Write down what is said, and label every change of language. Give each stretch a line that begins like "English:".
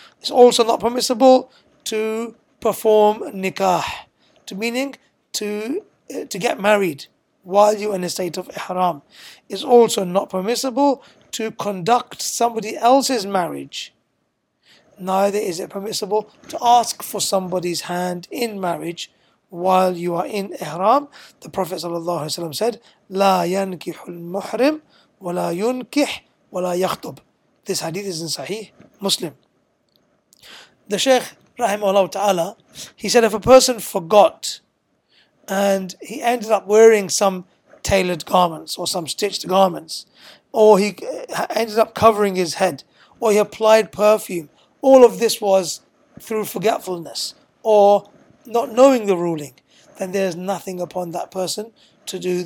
English: It's also not permissible to perform nikah, meaning to get married while you're in a state of ihram. It's also not permissible to conduct somebody else's marriage. Neither is it permissible to ask for somebody's hand in marriage while you are in ihram. The Prophet ﷺ said,
Arabic: لا ينكح المحرم ولا ينكح ولا يخطب.
English: This hadith is in Sahih Muslim. The Shaykh, rahimahullah ta'ala, he said if a person forgot and he ended up wearing some tailored garments or some stitched garments, or he ended up covering his head, or he applied perfume, all of this was through forgetfulness or not knowing the ruling, then there's nothing upon that person to do.